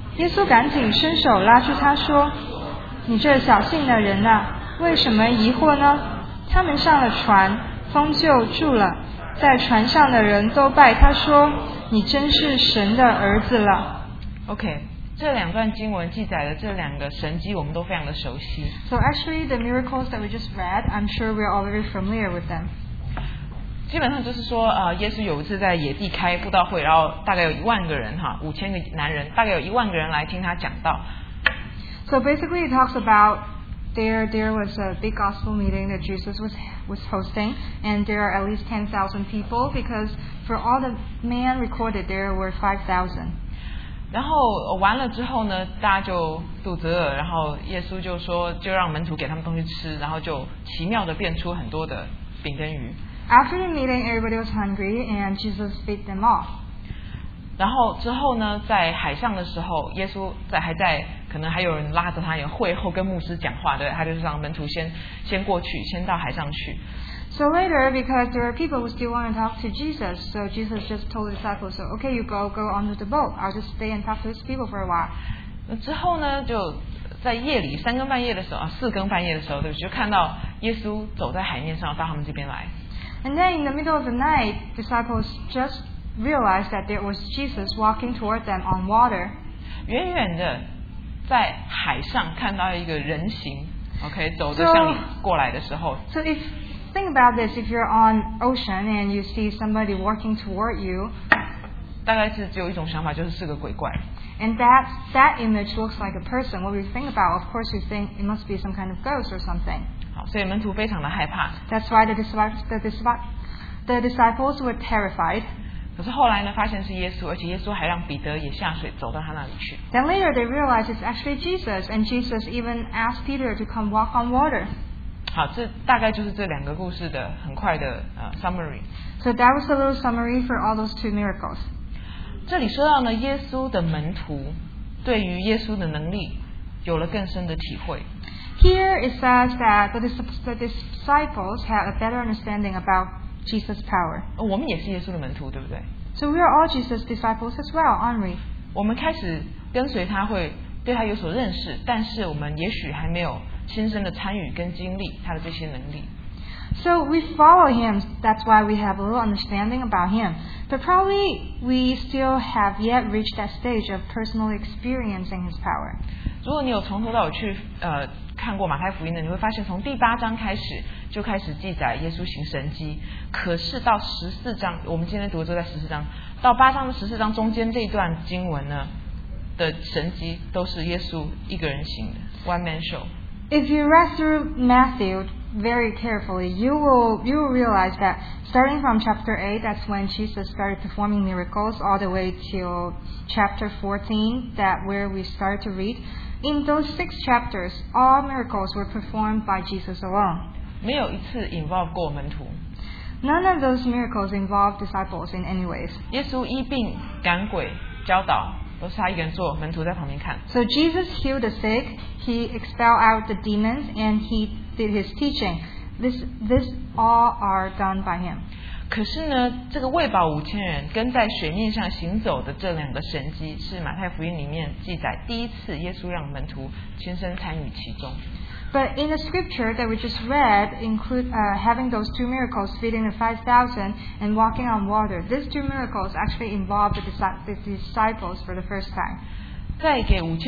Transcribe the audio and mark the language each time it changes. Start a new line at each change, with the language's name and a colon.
Chinese: 耶稣赶紧伸手拉住他说，你这小信的人啊，为什么疑惑呢？他们上了船，风就住了，在船上的人都拜他说，你真是神的儿子了。 OK， 这两段经文记载的这两个神迹我们都非常的熟悉。
English: So actually the miracles that we just read, I'm sure we're all very familiar with them。
Chinese: 基本上就是说耶稣有一次在野地开布道会，然后大概有一万个人哈，五千个男人，大概有一万个人来听他讲道。
English: So basically, it talks about there was a big gospel meeting that Jesus was hosting, and there are at least 10,000 people because for all the men recorded, there were 5,000.
Chinese: 然后完了之后呢，大家就肚子饿，然后耶稣就说，就让门徒给他们东西吃，然后就奇妙的变出很多的饼跟鱼。
English: After the meeting, everybody was hungry, and Jesus fed them all.
Chinese: 然后之后呢，在海上的时候，耶稣在还在。可能还有人拉着他，有会后跟牧师讲话，对，他就是让门徒先过去，先到海上去。
English: So later, because there are people who still want to talk to Jesus, so Jesus just told the disciples, "So okay, you go onto the boat. I'll just stay and talk to these people for a while."
Chinese: 之后呢，就在夜里三更半夜的时候啊，四更半夜的时候，对，就看到耶稣走在海面上到他们这边来。
English: And then in the middle of the night, disciples just realized that there was Jesus walking toward them on water.
Chinese: 远远的。在海上看到一个人形 ，OK， 走着向你过来的时候。
English: So if think about this, if you're on ocean and you see somebody walking toward you,
Chinese: 大概是只有一种想法，就是是个鬼怪。
English: And that image looks like a person. What we think about, of course, we think it must be some kind of ghost or something.
Chinese: 好，所以门徒非常的害怕。
English: That's why the disciples were terrified.
Chinese: 可是后来呢，发现是耶稣，而且耶稣还让彼得也下水，走到他那里去。
English: Then later they realize it's actually Jesus, and Jesus even asked Peter to come walk on water.
Chinese: 好，这大概就是这两个故事的很快的summary.
English: So that was a little summary for all those two miracles.
Chinese: 这里说到呢，耶稣的门徒对于耶稣的能力有了更深的体会。
English: Here it says that the disciples had a better understanding about. Jesus' power.
Chinese: 我们也是耶稣的门徒，对不对？
English: So we are all Jesus' disciples as well, aren't we?
Chinese: 我们开始跟随他，会对他有所认识，但是我们也许还没有亲身的参与跟经历他的这些能力。
English: So we follow him, that's why we have a little understanding about him. But probably we still have yet reached that stage of personal experiencing his power.
Chinese: 如果你有从头到尾去看过马太福音的，你会发现从第八章开始就开始记载耶稣行神迹，可是到十四章，我们今天读的就在十四章，到八章的十四章中间这一段经文呢的神迹都是耶稣一个人行的 ，
English: one man show。 If you read through Matthew very carefully, you will realize that starting from chapter 8, that's when Jesus started performing miracles, all the way till chapter 14, that where we start to read. In those six chapters, all miracles were performed by Jesus alone.
Chinese: 没有一次involve过门徒。
English: None of those miracles involved disciples in any ways.
Chinese: 耶稣医病、赶鬼、教导。都是他一个人做,
English: so Jesus healed the sick, he expelled out the demons, and he did his teaching. This all are done by him.
Chinese: 可是呢,这个喂饱五千人跟在水面上行走的这两个神迹是马太福音里面记载第一次耶稣让门徒亲身参与其中。
English: But in the scripture that we just read, include having those two miracles, feeding the 5,000 and walking on water. These two miracles actually involved the disciples for the first time.